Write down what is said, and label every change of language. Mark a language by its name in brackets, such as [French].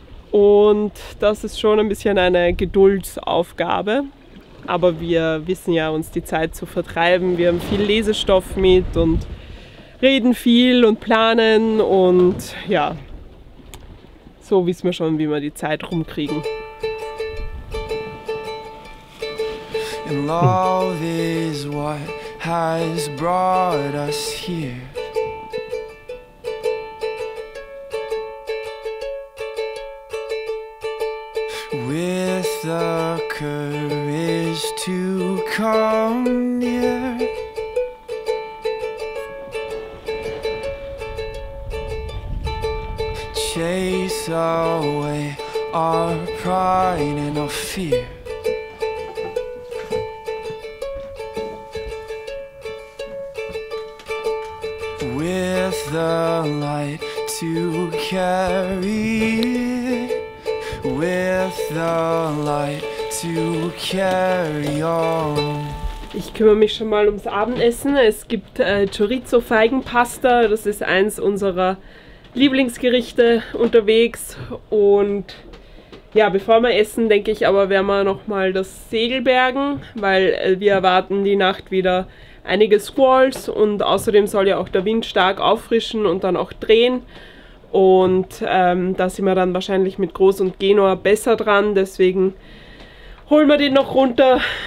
[German] Und das ist schon ein bisschen eine Geduldsaufgabe, aber wir wissen ja, uns die Zeit zu vertreiben. Wir haben viel Lesestoff mit und reden viel und planen und ja, so wissen wir schon, wie wir die Zeit rumkriegen. [English] In love is what has brought us here. With the courage to come near. Chase away our pride and our fear. With the light to carry it. With the light to carry on. [German] Ich kümmere mich schon mal ums Abendessen. Es gibt Chorizo-Feigenpasta. Das ist eins unserer Lieblingsgerichte unterwegs und ja, bevor wir essen, denke ich aber, werden wir nochmal das Segel bergen, weil wir erwarten die Nacht wieder einige Squalls und außerdem soll ja auch der Wind stark auffrischen und dann auch drehen und da sind wir dann wahrscheinlich mit Groß und Genua besser dran, deswegen holen wir den noch runter,